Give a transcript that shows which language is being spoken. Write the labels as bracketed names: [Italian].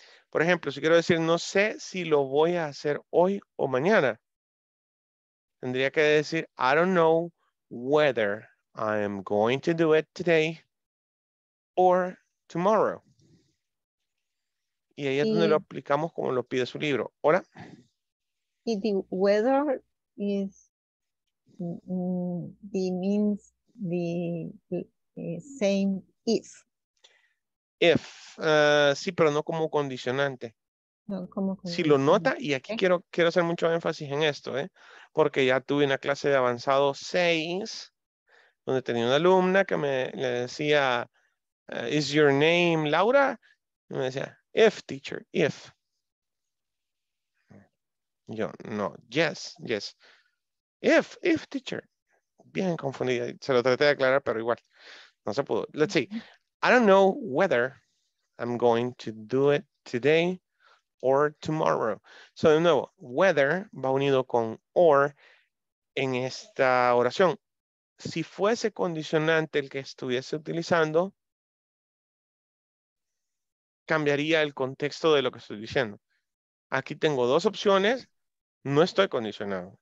[Spanish] Por ejemplo, si quiero decir no sé si lo voy a hacer hoy o mañana, tendría que decir [English] I don't know whether I am going to do it today or tomorrow. [Spanish] Y ahí es donde lo aplicamos como lo pide su libro. ¿Hola? [English] Y the weather is the means the same if. If. [Spanish] Sí, pero no como condicionante. No, como condicionante. Si lo nota, y aquí quiero hacer mucho énfasis en esto, porque ya tuve una clase de avanzado 6, donde tenía una alumna que me le decía, [English] is your name Laura? [Spanish] me decía, [English] if teacher, if. [Spanish] Yo, no, [English] yes, yes. If teacher. [Spanish] Bien confundida, se lo traté de aclarar, pero igual, no se pudo. [English] Let's see. I don't know whether I'm going to do it today or tomorrow. So, [Spanish] de nuevo, whether va unido con or en esta oración. Si fuese condicionante el que estuviese utilizando, cambiaría el contexto de lo que estoy diciendo. Aquí tengo dos opciones. No estoy condicionado.